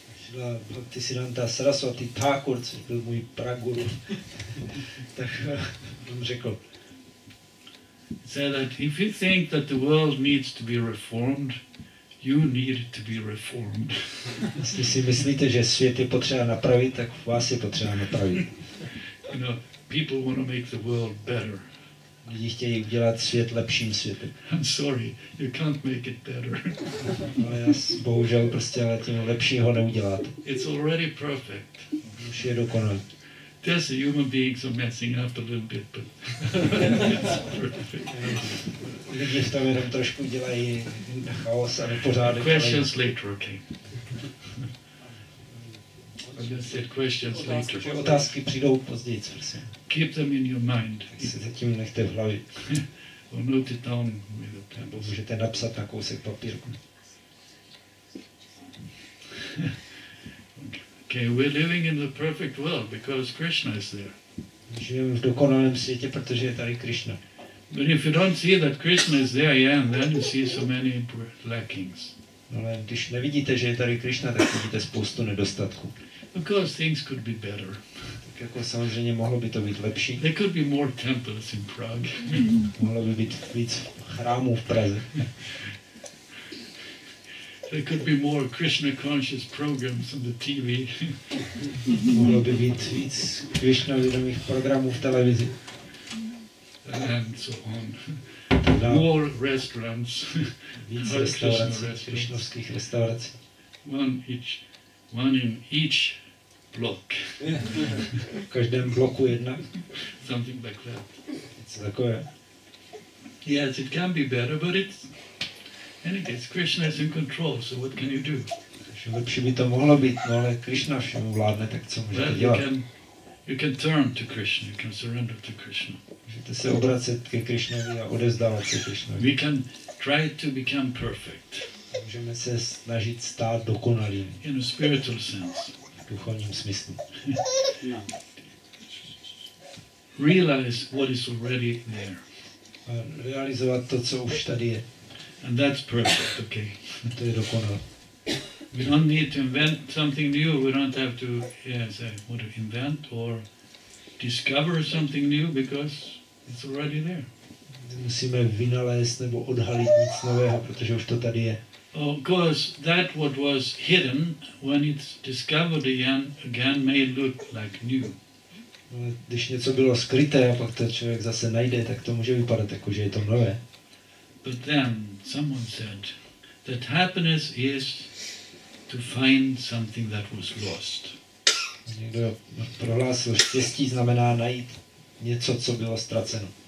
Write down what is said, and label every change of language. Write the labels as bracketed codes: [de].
[cs] Srila Bhaktisiddhanta Saraswati Thakur, což byl můj praguru, tak on řekl. [en] Said that if you think that the world needs to be reformed, you need to be reformed. [cs] Jestli si myslíte, že svět je potřeba napravit, tak vás je potřeba napravit. [en] You know, people want to make the world better. [cs] Lidi chtějí udělat svět lepším světem. [en] I'm sorry, you can't make it better. [cs] No, já bohužel prostě ale tím lepšího neudělat. [en] It's already perfect. [cs] Už je dokonalý. [en] There's the human beings are messing up a little bit, but it's perfect. [cs] Lidi v tom jenom trošku dělají chaos a nepořádek. [en] Questions later, okay. I just said questions later. [cs] Otázky přijdou později, prosím. [en] Keep them in your mind. [cs] Si zatím nechte v hlavě. [en] Or note it down with a pen. [cs] Můžete napsat na kousek papírku. [en] Okay, we're living in the perfect world because Krishna is there. [cs] Žijeme v dokonalém světě, protože je tady Krishna. [en] But if you don't see that Krishna is there, yeah, and then you see so many lackings. [cs] No, ale když nevidíte, že je tady Krishna, tak vidíte spoustu nedostatků. [en] Of course, things could be better. [cs] Tak jako samozřejmě mohlo by to být lepší. [en] There could be more temples in Prague. [cs] Mohlo by být víc chrámů v Praze. [en] There could be more Krishna conscious programs on the TV. [cs] Mohlo by být víc Krishna vědomých programů v televizi. [en] And so on. Teda more restaurants. [cs] Víc restaurací, krišnovských restaurací. [en] One in each block. [cs] V každém bloku jedna. [en] Something like that. [cs] Něco takové. [en] Yes, it can be better, but it's anyways, Krishna is in control, so what can you do? [cs] Že lepší by to mohlo být, no, ale Krishna všem vládne, tak co můžete dělat? [en] You can turn to Krishna, you can surrender to Krishna. [cs] Můžete se obracet ke Krishnovi a odevzdávat se Krishnovi. [en] We can try to become perfect. [cs] Můžeme se snažit stát dokonalým. [en] In a spiritual sense. [cs] V duchovním smyslu. [en] Realize what is already there. [cs] A realizovat to, co už tady je. [en] And that's perfect, okay. [cs] A to je dokonalé. [en] We don't need to invent something new. We don't have to, yes, what to invent or discover something new because it's already there. [cs] Nemusíme vynalézt nebo odhalit nic nového, protože už to tady je. [en] Of course, that what was hidden when it's discovered again may look like new. [cs] Ale když něco bylo skryté a pak to člověk zase najde, tak to může vypadat jako, že je to nové. [en] But then someone said that happiness is to find something that was lost. [cs] Někdo prohlásil, štěstí znamená najít něco, co bylo ztraceno.